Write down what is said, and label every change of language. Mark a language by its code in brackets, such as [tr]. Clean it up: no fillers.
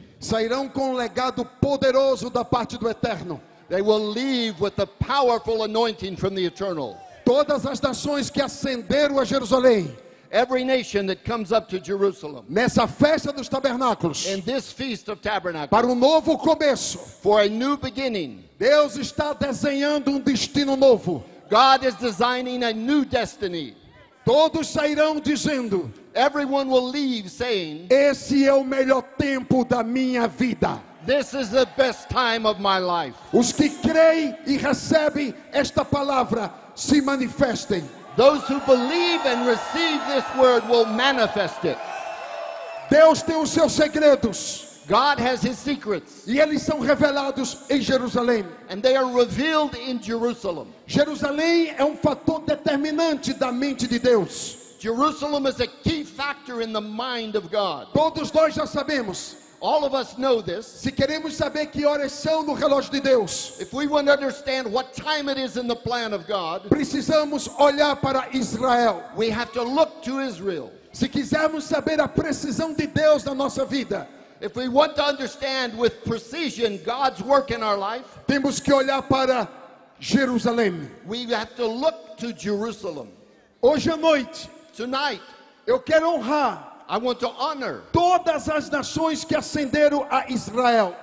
[pt] Sairão com um legado poderoso da parte do Eterno. [en] They will leave with a powerful anointing from the Eternal. [pt] Todas as nações que ascenderam a Jerusalém. [en] Every nation that comes up to Jerusalem. [pt] Nessa festa dos tabernáculos. [en] In this feast of tabernacles. [pt] Para novo começo. [en] For a new beginning. [pt] Deus está desenhando destino novo. [en] God is designing a new destiny. [pt] Todos sairão dizendo. [en] Everyone will leave saying. [pt] Esse é o melhor tempo da minha vida. [en] This is the best time of my life. [pt] Os que creem e recebem esta palavra se manifestem. [en] Those who believe and receive this word will manifest it. [pt] Deus tem os seus segredos. [en] God has his secrets. [pt] E eles são revelados em Jerusalém. [en] And they are revealed in Jerusalem. [pt] Jerusalém é fator determinante da mente de Deus. [en] Jerusalem is a key factor in the mind of God. [pt] Todos nós já sabemos. [en] All of us know this. [pt] Se queremos saber que horas são no relógio de Deus, [en] if we want to understand what time it is in the plan of God, [pt] precisamos olhar para Israel. [en] We have to look to Israel. [pt] Se quisermos saber a precisão de Deus na nossa vida, [en] if we want to understand with precision God's work in our life, [pt] temos que olhar para Jerusalém. [en] We have to look to Jerusalem. [pt] Hoje à noite, [en] tonight, [pt] eu quero honrar. [en] I want to honor [pt] todas as nações que ascenderam a Israel.